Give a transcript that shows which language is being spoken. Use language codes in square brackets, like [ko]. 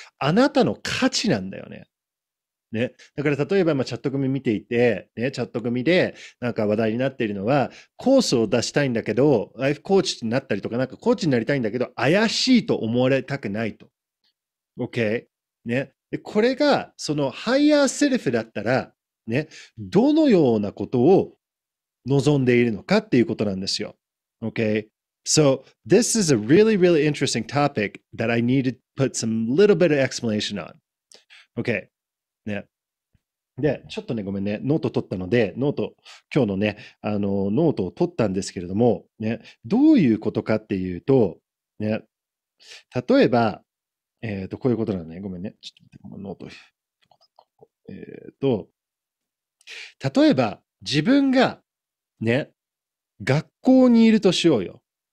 [ja] あなたの価値なんだよね。ね、だから例えば今チャット組見ていて、ね、チャット組でなんか話題になっているのはコースを出したいんだけどライフコーチになったりとか、なんかコーチになりたいんだけど怪しいと思われたくないと。 [en] OK？ [ja] ね、でこれがそのハイヤーセルフだったら、ね、どのようなことを望んでいるのかっていうことなんですよ。 [en] OK？ So this is a really really interesting topic that I need to put some little bit of explanation on. OK？ [ja] ね、で、ちょっとね、ごめんね、ノート取ったので、ノート、今日のね、ノートを取ったんですけれども、ね、どういうことかっていうと、ね、例えば、こういうことなのね、ごめんね、ちょっと待って、ノート、例えば、自分が、ね、学校にいるとしようよ。